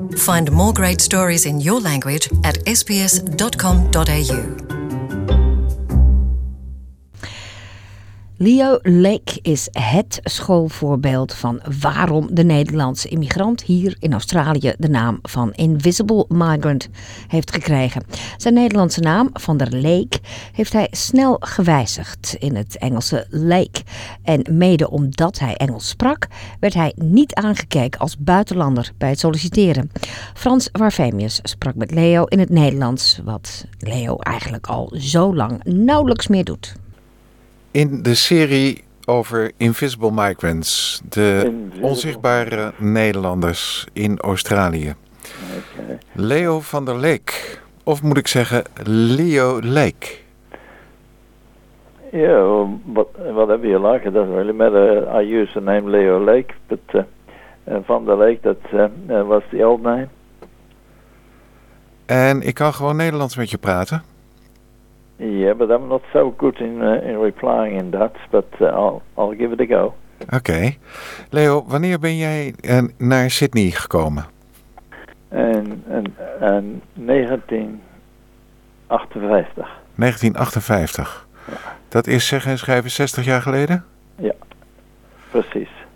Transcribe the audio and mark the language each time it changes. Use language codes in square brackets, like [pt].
[en] Find more great stories in your language at sbs.com.au. [nl] Leo Lek is het schoolvoorbeeld van waarom de Nederlandse immigrant hier in Australië de naam van Invisible Migrant heeft gekregen. Zijn Nederlandse naam, Van der Leek, heeft hij snel gewijzigd in het Engelse Lake. En mede omdat hij Engels sprak, werd hij niet aangekeken als buitenlander bij het solliciteren. Frans Warfemius sprak met Leo in het Nederlands, wat Leo eigenlijk al zo lang nauwelijks meer doet. In de serie over Invisible Migrants, de onzichtbare Nederlanders in Australië. Okay. Leo van der Leek, of moet ik zeggen Leo Leek? [en] Ja, whatever you like, it doesn't really matter. I use the name Leo Leek, but van der Leek, [nl] dat was [en] the old name. [nl] En ik kan gewoon Nederlands met je praten. [en] Yeah, but I'm not so good in replying in that, but I'll give it a go. Okay. [nl] Leo, wanneer ben jij naar Sydney gekomen? In 1958. 1958. Dat is zeggen en schrijven 60 jaar geleden? Ja, precies.